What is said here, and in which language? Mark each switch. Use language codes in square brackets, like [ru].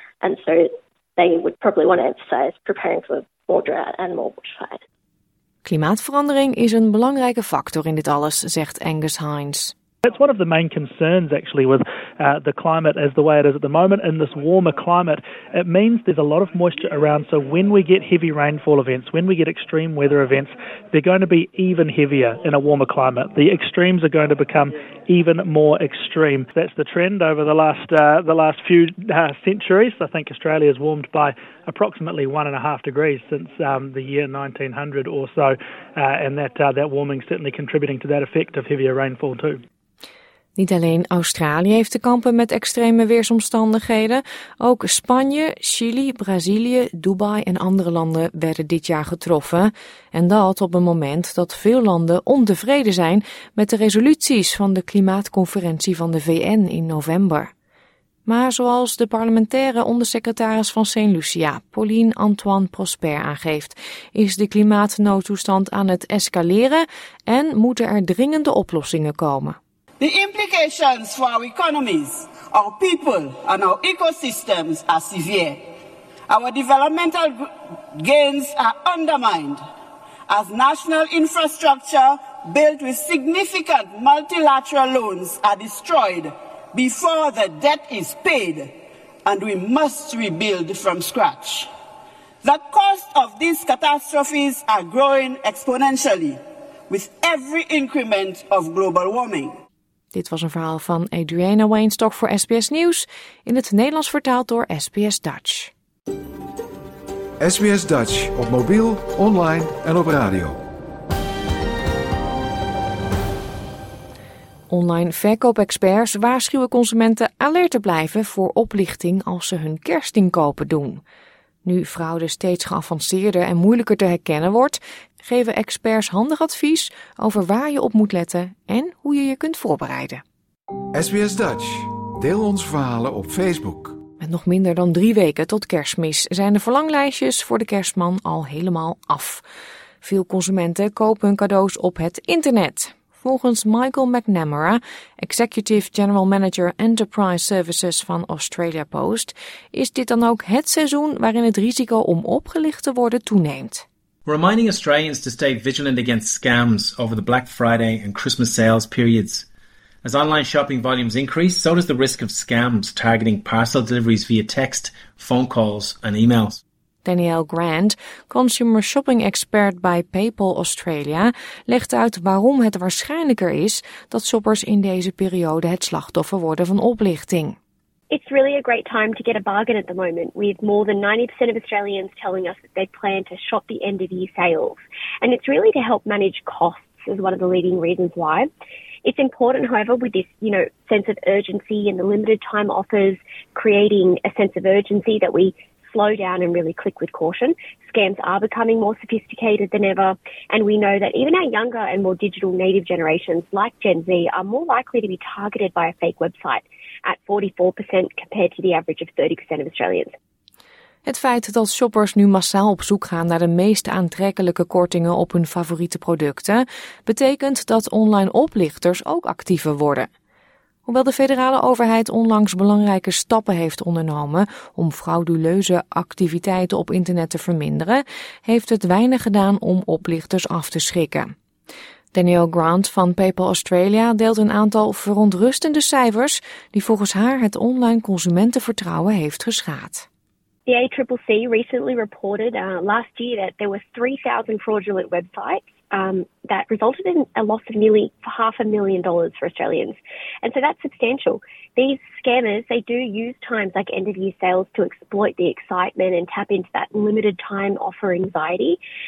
[en] And so they would probably want to emphasize preparing for more drought and more bushfires. [nl] Klimaatverandering is een belangrijke factor in dit alles, zegt Angus Hines. [en] That's one of the main concerns actually with the climate as the way it is at the moment. In this warmer climate, it means there's a lot of moisture around. So when we get heavy rainfall events, when we get extreme weather events, they're going to be even heavier in a warmer climate. The extremes are going to become even more extreme. That's the trend over the last few centuries. I think Australia has warmed by approximately 1.5 degrees since the year 1900 or so. And that warming certainly contributing to that effect of heavier rainfall too. [nl] Niet alleen Australië heeft te kampen met extreme weersomstandigheden. Ook Spanje, Chili, Brazilië, Dubai en andere landen werden dit jaar getroffen. En dat op een moment dat veel landen ontevreden zijn met de resoluties van de klimaatconferentie van de VN in november. Maar zoals de parlementaire ondersecretaris van Saint Lucia, Pauline Antoine Prosper, aangeeft, is de klimaatnoodtoestand aan het escaleren en moeten er dringende oplossingen komen. [en] The implications for our economies, our people and our ecosystems are severe. Our developmental gains are undermined as national infrastructure built with significant multilateral loans are destroyed before the debt is paid, and we must rebuild from scratch. The cost of these catastrophes are growing exponentially with every increment of global warming. [nl] Dit was een verhaal van Adriana Wainstock voor SBS Nieuws, in het Nederlands vertaald door SBS Dutch. SBS Dutch op mobiel, online en op radio. Online verkoopexperts waarschuwen consumenten alert te blijven voor oplichting als ze hun kerstinkopen doen. Nu fraude steeds geavanceerder en moeilijker te herkennen wordt, geven experts handig advies over waar je op moet letten en hoe je je kunt voorbereiden. SBS Dutch, deel ons verhalen op Facebook. Met nog minder dan 3 weken tot kerstmis zijn de verlanglijstjes voor de kerstman al helemaal af. Veel consumenten kopen hun cadeaus op het internet. Volgens Michael McNamara, Executive General Manager Enterprise Services van Australia Post, is dit dan ook het seizoen waarin het risico om opgelicht te worden toeneemt. [en] Reminding Australians to stay vigilant against scams over the Black Friday and Christmas sales periods. As online shopping volumes increase, so does the risk of scams targeting parcel deliveries via text, phone calls and emails. [nl] Danielle Grant, consumer shopping expert bij PayPal Australia, legt uit waarom het waarschijnlijker is dat shoppers in deze periode het slachtoffer worden van oplichting. [en] It's really a great time to get a bargain at the moment, with more than 90% of Australians telling us that they plan to shop the end of year sales. And it's really to help manage costs deaths is one of the leading reasons why. It's important, however, with this, you know, sense of urgency and the limited time offers creating a sense of urgency that we slow down and really click with caution. Scams are becoming more sophisticated than ever. And we know that even our younger and more digital native generations like Gen Z are more likely to be targeted by a fake website at 44% compared to the average of 30% of Australians. [nl] Het feit dat shoppers nu massaal op zoek gaan naar de meest aantrekkelijke kortingen op hun favoriete producten, betekent dat online oplichters ook actiever worden. Hoewel de federale overheid onlangs belangrijke stappen heeft ondernomen om frauduleuze activiteiten op internet te verminderen, heeft het weinig gedaan om oplichters af te schrikken. Danielle Grant van PayPal Australia deelt een aantal verontrustende cijfers die volgens haar het online consumentenvertrouwen heeft geschaad. [en] The ACCC recently reported last year that there were 3,000 fraudulent websites that resulted in a loss of nearly $500,000 for Australians. And so that's substantial. These scammers, they do use times like end-of-year sales to exploit the excitement and tap into that limited time offer anxiety.